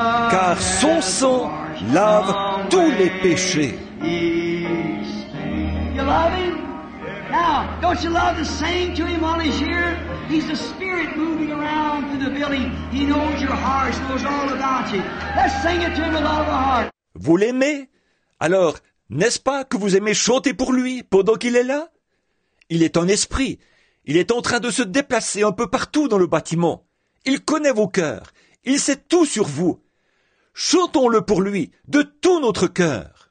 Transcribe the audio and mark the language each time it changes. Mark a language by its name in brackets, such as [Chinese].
[French] Car son sang lave tous les péchés. [English] You love him? Now, don't you love the saying to him while he's here? He's the Spirit moving around through the building. He knows your heart, knows all about you. Let's sing it to him with all of our heart. [French] Vous l'aimez? Alors, n'est-ce pas que vous aimez chanter pour lui pendant qu'il est là? Il est en esprit. Il est en train de se déplacer un peu partout dans le bâtiment. Il connaît vos cœurs. Il sait tout sur vous. Chantons-le pour lui de tout notre cœur.